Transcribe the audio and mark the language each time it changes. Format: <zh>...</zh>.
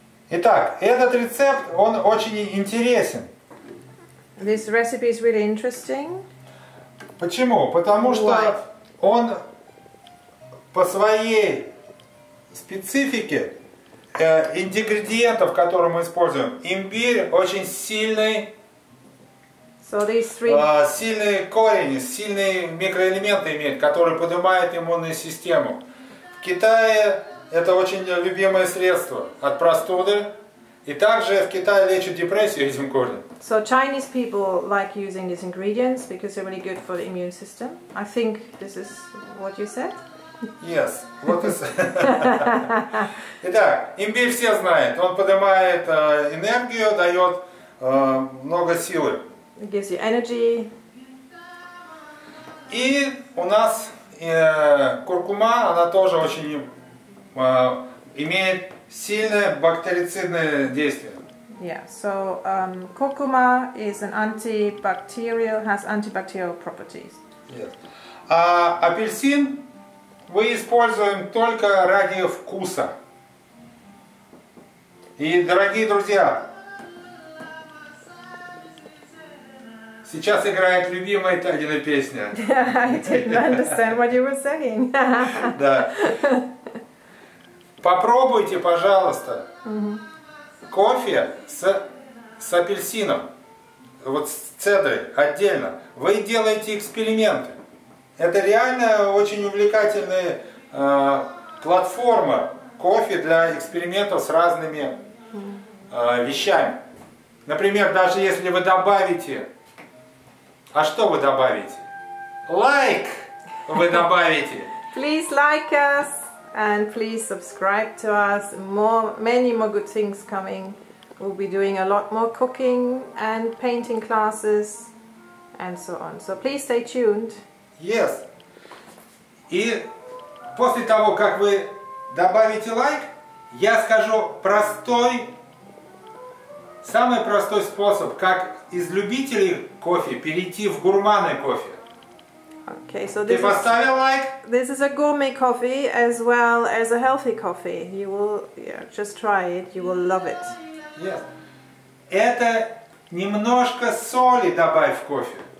<ru>Итак, этот рецепт, он очень интересен.</ru> <en>This recipe is really interesting.</en> <ru>Почему? Потому что он по своей специфике ингредиентов, которые мы используем. Имбирь очень сильный,</ru> <en>so these three...</en> <ru>сильный корень, сильные микроэлементы имеет, которые поднимают иммунную систему. В Китае это очень любимое средство от простуды. И также в Китае лечат депрессию этим корнем.</ru> <en>So Chinese people like using these ingredients because they're really good for the immune system. I think this is what you said. Yes,</en> <ru>вот и итак, имбирь все знает, он поднимает энергию, дает много силы.</ru> <en>It gives you energy.</en> <ru>И у нас куркума, она тоже очень имеет сильное бактерицидное действие.</ru> <en>Yeah, so curcuma is an antibacterial, has antibacterial properties. Yes.</en> <ru>Апельсин мы используем только ради вкуса. И, дорогие друзья, сейчас играет любимая Тагина песня.</ru> <en>I didn't understand what you were saying.</en> <ru>Да. Попробуйте, пожалуйста, кофе с апельсином, вот с цедрой отдельно. Вы делаете эксперименты. Это реально очень увлекательная платформа кофе для экспериментов с разными вещами. Например, даже если вы добавите... А что вы добавите? Лайк вы добавите.</ru> <en>Please like us and please subscribe to us. Many more good things coming. We'll be doing a lot more cooking and painting classes and so on. So please stay tuned. Yes.</en> <ru>И после того, как вы добавите лайк, я скажу простой, самый простой способ, как из любителей кофе перейти в гурманы кофе.</ru> <en>Okay, so this</en> <ru>ты поставил лайк?</ru> <en>This is a gourmet coffee as well as a healthy coffee. You will just try it, you will love it. Yes.</en> <ru>Это немножко соли добавь в кофе.</ru>